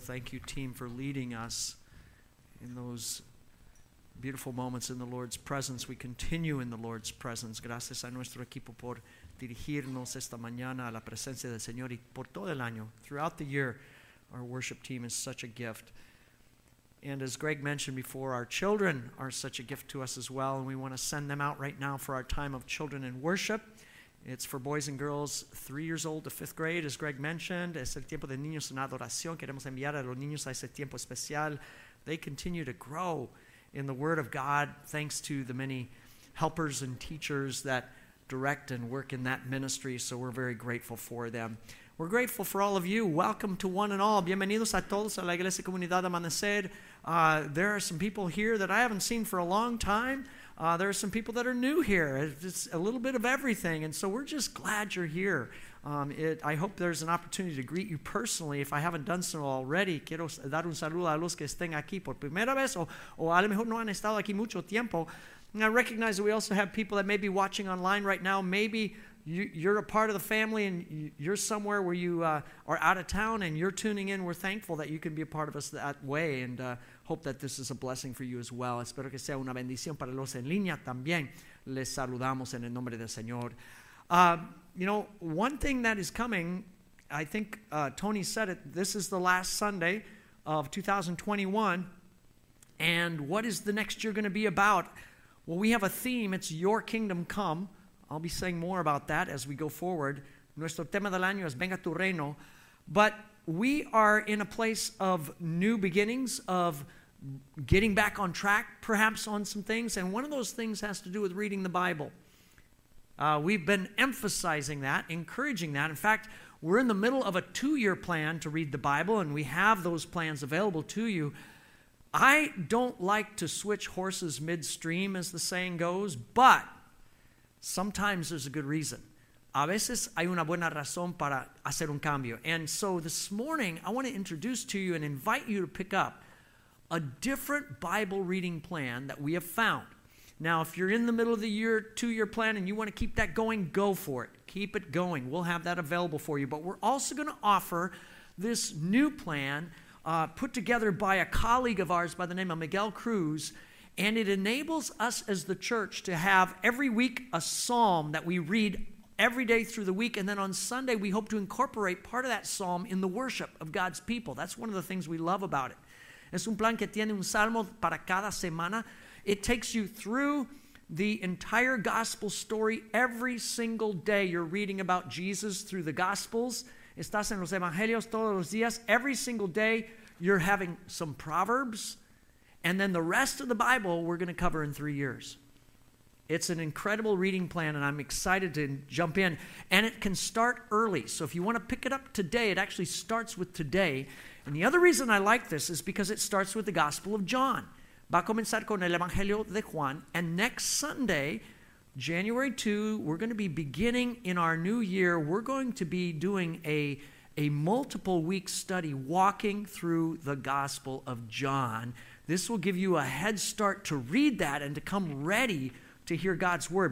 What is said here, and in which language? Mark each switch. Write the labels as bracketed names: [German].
[English] Thank you, team, for leading us in those beautiful moments in the Lord's presence. We continue in the Lord's presence. [Spanish] Gracias a nuestro equipo por dirigirnos esta mañana a la presencia del Señor y por todo el año. [English] Throughout the year, our worship team is such a gift. And as Greg mentioned before, our children are such a gift to us as well, and we want to send them out right now for our time of children in worship. It's for boys and girls 3 years old to fifth grade, as Greg mentioned. [Spanish] Es el tiempo de niños en adoración. Queremos enviar a los niños a ese tiempo especial. [English] They continue to grow in the Word of God thanks to the many helpers and teachers that direct and work in that ministry, so we're very grateful for them. We're grateful for all of you. Welcome to one and all. [Spanish] Bienvenidos a todos a la Iglesia Comunidad Amanecer. [English] There are some people here that I haven't seen for a long time. There are some people that are new here. It's a little bit of everything. And so we're just glad you're here. I hope there's an opportunity to greet you personally. If I haven't done so already, [Spanish] quiero dar un saludo a los que estén aquí por primera vez o a lo mejor no han estado aquí mucho tiempo. [English] And I recognize that we also have people that may be watching online right now. Maybe you're a part of the family and you're somewhere where you are out of town and you're tuning in. We're thankful that you can be a part of us that way, and hope that this is a blessing for you as well. [Spanish] Espero que sea una bendición para los en línea también. Les saludamos en el nombre del Señor. [English] You know, one thing that is coming, I think Tony said it, this is the last Sunday of 2021. And what is the next year going to be about? Well, we have a theme. It's Your Kingdom Come. I'll be saying more about that as we go forward. [Spanish] Nuestro tema del año es Venga tu Reino. [English] But we are in a place of new beginnings, of getting back on track, perhaps, on some things. And one of those things has to do with reading the Bible. We've been emphasizing that, encouraging that. In fact, we're in the middle of a 2-year plan to read the Bible, and we have those plans available to you. I don't like to switch horses midstream, as the saying goes, but sometimes there's a good reason. [Spanish] A veces hay una buena razón para hacer un cambio. [English] And so this morning, I want to introduce to you and invite you to pick up a different Bible reading plan that we have found. Now, if you're in the middle of the year, 2-year plan, and you want to keep that going, go for it. Keep it going. We'll have that available for you. But we're also going to offer this new plan put together by a colleague of ours by the name of Miguel Cruz. And it enables us as the church to have every week a psalm that we read every day through the week. And then on Sunday, we hope to incorporate part of that psalm in the worship of God's people. That's one of the things we love about it. [Spanish] Es un plan que tiene un salmo para cada semana. [English] It takes you through the entire gospel story every single day. You're reading about Jesus through the gospels. [Spanish] Estás en los evangelios todos los días. [English] Every single day, you're having some proverbs. And then the rest of the Bible we're going to cover in 3 years. It's an incredible reading plan, and I'm excited to jump in. And it can start early. So if you want to pick it up today, it actually starts with today. And the other reason I like this is because it starts with the Gospel of John. [Spanish] Va a comenzar con el Evangelio de Juan. [English] And next Sunday, January 2, we're going to be beginning in our new year. We're going to be doing a multiple-week study walking through the Gospel of John. This will give you a head start to read that and to come ready to hear God's word.